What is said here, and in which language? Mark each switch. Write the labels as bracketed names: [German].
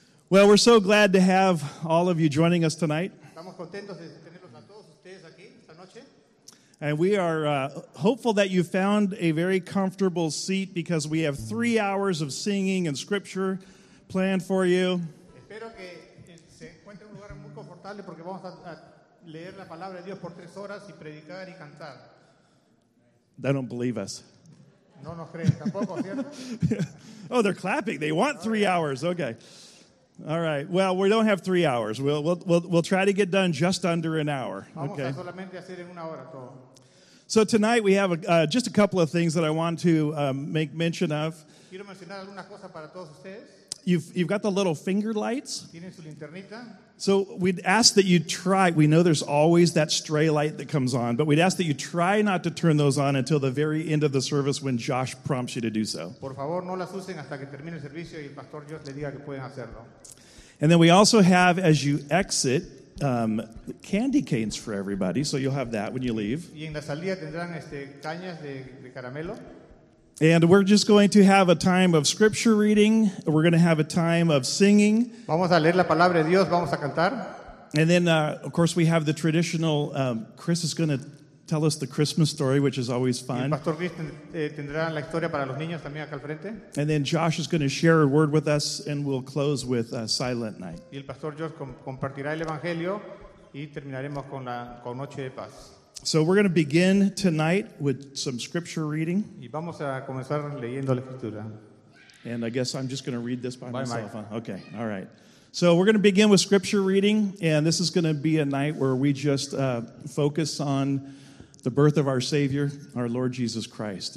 [English] Well, we're so glad to have all of you joining us tonight. [Spanish] Estamos contentos de tenerlos a todos ustedes aquí esta noche. [English] And we are hopeful that you found a very comfortable seat because we have 3 hours of singing and scripture planned for you. [Spanish] Espero que se encuentre un lugar muy confortable porque vamos a leer la palabra de Dios por 3 horas y predicar y cantar. [English] They don't believe us. [Spanish] No nos creen tampoco, ¿cierto? [English] Oh, they're clapping. They want 3 hours. Okay. All right. Well, we don't have 3 hours. We'll try to get done just under an hour. Okay. [Spanish] Vamos a solamente hacer en una hora todo. [English] So tonight we have just a couple of things that I want to make mention of. [Spanish] Quiero mencionar algunas cosas para todos ustedes. [English] You've got the little finger lights. [Spanish] ¿Tienen su linternita? [English] So we'd ask that you try. We know there's always that stray light that comes on, but we'd ask that you try not to turn those on until the very end of the service when Josh prompts you to do so. [Spanish] Por favor, no las usen hasta que termine el servicio y el pastor Josh le diga que pueden hacerlo. [English] And then we also have, as you exit, candy canes for everybody, so you'll have that when you leave. [Spanish] Y en la salida tendrán cañas de caramelo. [English] And we're just going to have a time of scripture reading. We're going to have a time of singing. [Spanish] Vamos a leer la palabra de Dios. Vamos a cantar. [English] And then, of course, we have the traditional. Chris is going to tell us the Christmas story, which is always fun. [Spanish] Y Pastor Chris tendrá la historia para los niños también acá al frente. [English] And then Josh is going to share a word with us, and we'll close with a Silent Night. [Spanish] Y el Pastor Josh compartirá el evangelio, y terminaremos con la con Noche de Paz. [English] So we're going to begin tonight with some scripture reading. [Spanish] Y vamos a comenzar leyendo la escritura. [English] And I guess I'm just going to read this by myself. Huh? Okay, all right. So we're going to begin with scripture reading, and this is going to be a night where we just focus on the birth of our Savior, our Lord Jesus Christ.